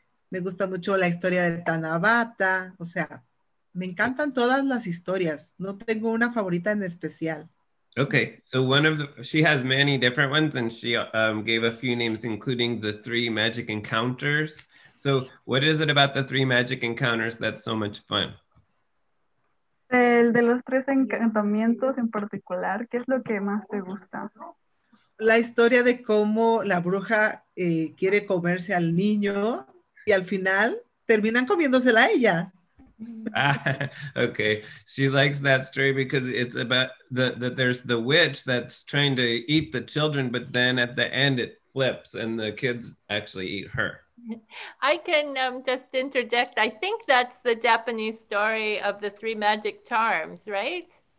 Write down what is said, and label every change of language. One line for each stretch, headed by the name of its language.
Spanish: Me gusta mucho la historia de Tanabata. O sea... Me encantan todas las historias. No tengo una favorita en especial.
English: Okay, so one of the, she has many different ones and she gave a few names, including the three magic encounters. So what is it about the three magic encounters that's so much fun?
Spanish: El de los tres encantamientos en particular, ¿qué es lo que más te gusta? La historia de cómo la bruja quiere comerse al niño y al final terminan comiéndosela a ella.
English: Okay, she likes that story because it's about that there's the witch that's trying to eat the children, but then at the end it flips and the kids actually eat her. I can just interject. I think that's the Japanese story of the three magic charms, right?